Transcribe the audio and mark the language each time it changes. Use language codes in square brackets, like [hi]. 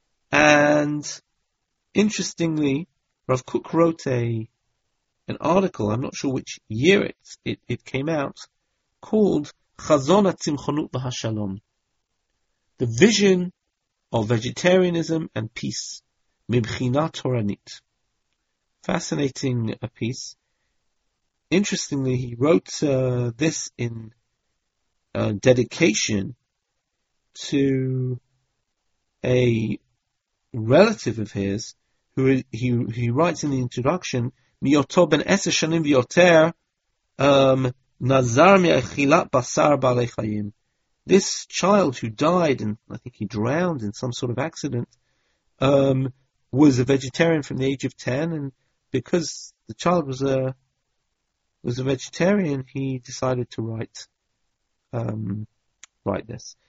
[en] And interestingly, Rav Kook wrote an article, I'm not sure which year it came out, called Chazon HaTzimchonut VaHashalom, The Vision of Vegetarianism and Peace, Mibchina Toranit. Fascinating a piece. Interestingly, he wrote this in dedication to a relative of his, who he writes in the introduction, [he] מיותו בן 10 שנים ויותר, נזר מאכילת בשר בעלי חיים. [en] This child who died, and I think he drowned in some sort of accident, was a vegetarian from the age of 10, and because the child was a vegetarian, he decided to write this.